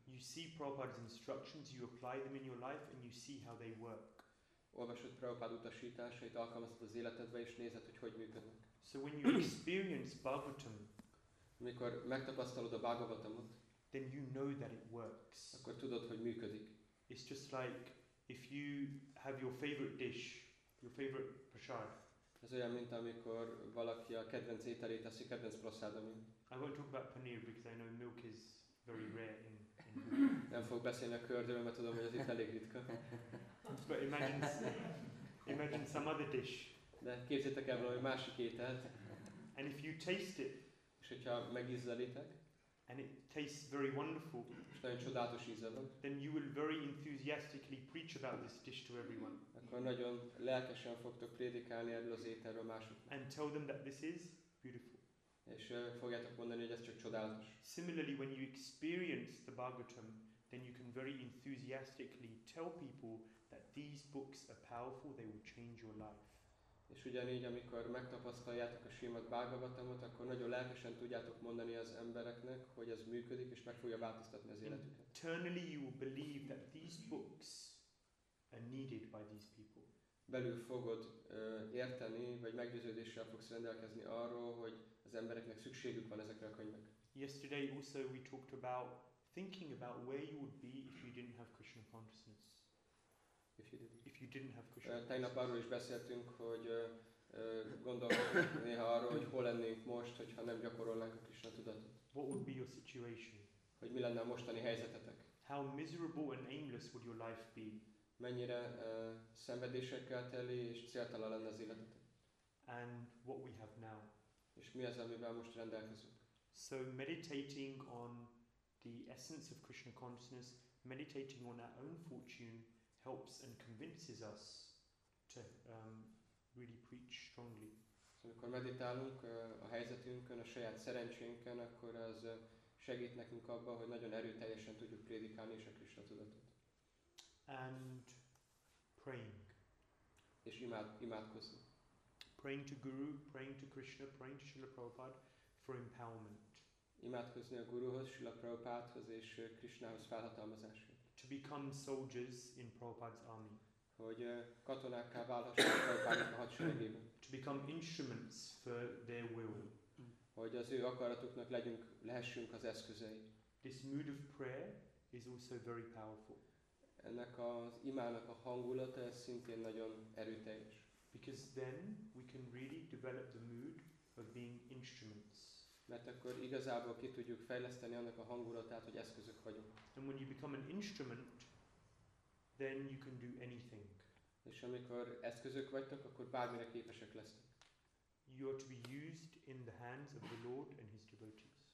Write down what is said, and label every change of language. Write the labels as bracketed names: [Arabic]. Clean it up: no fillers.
[English] You see Prabhupada's instructions, you apply them in your life, and you see how they work. [Hungarian] Olvasod Prabhupada utasításait, alkalmazod az életedbe, és nézed, hogy hogy működnek. [English] So when you experience Bhagavatam, [Hungarian] amikor megtapasztalod a Bhagavatamot, [English] then you know that it works. [Hungarian] Akkor tudod, hogy működik. [English] It's just like if you have your favorite dish, your favorite prasad. [Hungarian] Ez olyan, mint amikor valaki a kedvenc ételét teszi, kedvenc prasadamin. [English] I won't talk about paneer because I know milk is very rare in. [Hungarian] Nem fog beszélni a kördőről, mert tudom, hogy az itt elég ritka. [English] But imagine some other dish. [Hungarian] De képzeljétek el valami másik ételt. [English] And if you taste it. [Hungarian] És hogyha megízlelitek. [English] And it tastes very wonderful. [Hungarian] És nagyon csodálatos íze van. [English] Then you will very enthusiastically preach about this dish to everyone. [Hungarian] Akkor nagyon lelkesen fogtok prédikálni erről az ételről másoknak. [English] And tell them that this is beautiful. [Hungarian] És fogjátok mondani, hogy ez csak csodálatos. [English] Similarly, when you experience the Bhagavatam, then you can very enthusiastically tell people that these books are powerful, they will change your life. [Hungarian] És ugyanígy, amikor megtapasztaljátok a Srimad Bhagavatamot, akkor nagyon lelkesen tudjátok mondani az embereknek, hogy ez működik, és meg fogja változtatni az életüket. [English] Internally, you will believe that these books are needed by these people. [Hungarian] Belül fogod érteni, vagy meggyőződéssel fogsz rendelkezni arról, hogy az embereknek szükségük van ezekre a könyvek. [English] Yesterday also we talked about thinking about where you would be if you didn't have Krishna consciousness. If you didn't have Krishna consciousness. [Hungarian] Tegnap arról is beszéltünk, hogy gondolkodunk néha arról, hogy hol lennénk most, hogyha nem gyakorolnánk a Krishna tudatot. [English] What would be your situation? [Hungarian] Hogy mi lenne a mostani helyzetetek? [English] How miserable and aimless would your life be? [Hungarian] Mennyire szenvedésekkel teli és céltalan lenne az életetek? [English] And what we have now? [Hungarian] És mi az, amivel most rendelkezünk? [English] So meditating on the essence of Krishna consciousness, meditating on our own fortune, helps and convinces us to really preach strongly. [Hungarian] So, amikor meditálunk a helyzetünkön, a saját szerencsénken, akkor az segít nekünk abban, hogy nagyon erőteljesen tudjuk prédikálni és a Krishna tudatot. [English] And praying. [Hungarian] És imádkozni. [English] Praying to Guru, praying to Krishna, praying to Srila Prabhupada for empowerment. [Hungarian] Imádkozni a Guruhoz, Srila Prabhupádhoz és Krishnahoz felhatalmazásért. [English] To become soldiers in Prabhupada's army. [Hungarian] Hogy katonákká válhassunk Prabhupádnak a hadseregében. [English] To become instruments for their will. [Hungarian] Hogy az ő akaratuknak lehessünk az eszközei. [English] This mood of prayer is also very powerful. [Hungarian] Ennek az imának a hangulata ez szintén nagyon erőteljes. [English] Because then we can really develop the mood of being instruments. [Hungarian] Mert akkor igazából ki tudjuk fejleszteni annak a hangulatát, hogy eszközök vagyunk. [English] And when you become an instrument, then you can do anything. [Hungarian] És amikor eszközök vagytok, akkor bármire képesek lesztek. [English] You are to be used in the hands of the Lord and His devotees.